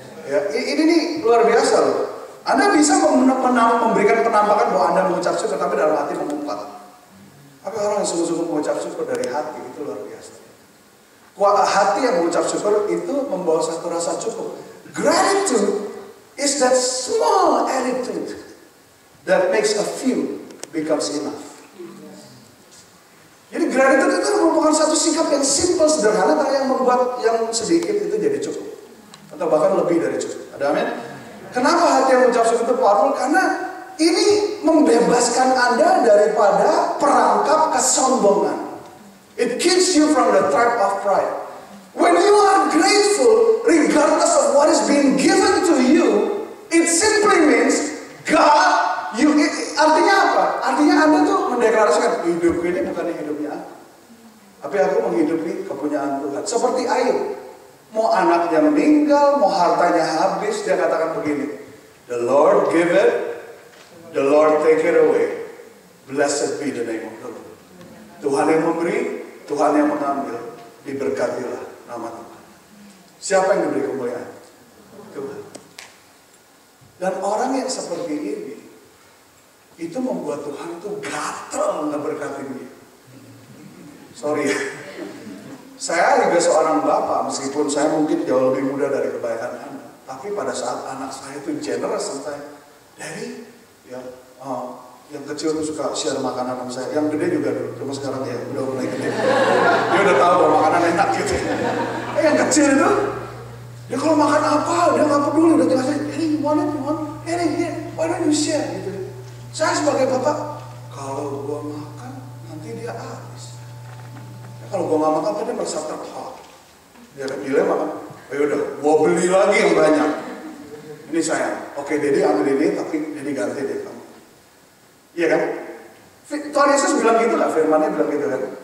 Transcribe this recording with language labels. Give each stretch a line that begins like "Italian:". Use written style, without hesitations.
Indonesian: Ya, ini nih luar biasa loh. Anda bisa memberikan penampakan bahwa Anda mengucap syukur, tapi dalam hati mengumpat. Tapi orang yang sungguh-sungguh mengucap syukur dari hati, itu luar biasa. Kuat hati yang mengucap syukur itu membawa satu rasa cukup.
English: Gratitude is that small attitude that makes a few becomes enough.
Indonesian: Jadi gratitude itu merupakan satu sikap yang simpel, sederhana, tapi yang membuat yang sedikit itu jadi cukup. Atau bahkan lebih dari cukup. Ada amin? Kenapa hati yang mengucap syukur itu powerful? Karena ini membebaskan Anda daripada perangkap kesombongan.
English: It keeps you from the trap of pride. When you are grateful, regardless of what is being given to you, it simply means God, you.
Indonesian: Artinya apa? Artinya Anda tuh mendeklarasikan, hidupku ini bukan hidupnya aku, tapi aku menghidupi kepunyaan Tuhan. Seperti Ayub, mau anaknya meninggal, mau hartanya habis, dia katakan begini,
English: the Lord give it, the Lord take it away, blessed be the name of the Lord.
Indonesian: Tuhan yang memberi, Tuhan yang mengambil, diberkatilah nama Tuhan. Siapa yang diberi kemuliaan? Tuhan. Dan orang yang seperti ini, itu membuat Tuhan tuh gatel ngeberkati dia.
English: Sorry.
Indonesian: Saya juga seorang bapak, meskipun saya mungkin jauh lebih muda dari kebanyakan anak. Tapi pada saat anak saya itu generous, saya, Daddy, ya, Yang kecil tuh suka share makanan sama saya. Yang gede juga dulu, cuma sekarang ya udah mulai gede. Dia udah tahu bahwa makanan enak gitu. Yang kecil itu, dia kalau makan apa, dia gak peduli. Udah tinggal saya,
English: hey, you want it, hey, yeah, why don't you share?
Indonesian: Gitu. Saya sebagai bapak, kalau gua makan, nanti dia habis. Ya, kalau gua gak makan, dia merasa terhak. Dia ada dilema, ayo udah, gua beli lagi yang banyak. Ini saya, oke, Dedi ambil ini, tapi Dedi ganti deh. Iya kan? Tuhan Yesus bilang gitu gak? Firman-Nya bilang gitu kan?